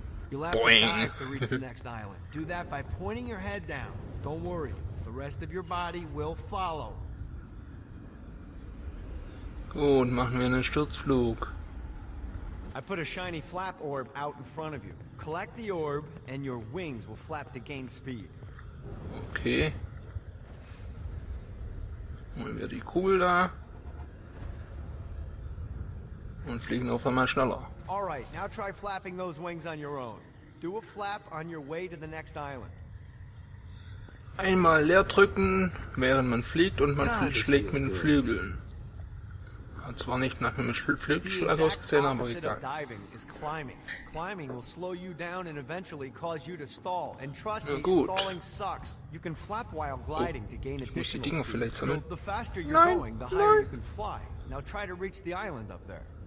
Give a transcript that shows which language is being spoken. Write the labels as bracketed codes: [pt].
[en] You'll have to dive to reach the next island. Do that by pointing your head down. Don't worry, the rest of your body will follow. [de] Gut, machen wir einen Sturzflug. [en] I put a shiny flap orb out in front of you. Collect the orb and your wings will flap to gain speed. Okay. [de] Holen wir die Kugel da. Und fliegen auf einmal schneller. [en] All right, now try flapping those wings on your own. Do a flap on your way to the next island. [de] Einmal leer drücken, während man fliegt, und man schlägt mit den Flügeln. Hat zwar nicht nach einem Flügelschlag ausgesehen, aber egal. [en] Diving is climbing. Climbing will slow you down and eventually cause you to stall. And trust me, stalling sucks. You can flap while gliding to gain additional speed. So the faster you're going, the higher you can fly. Now try to reach the island up there.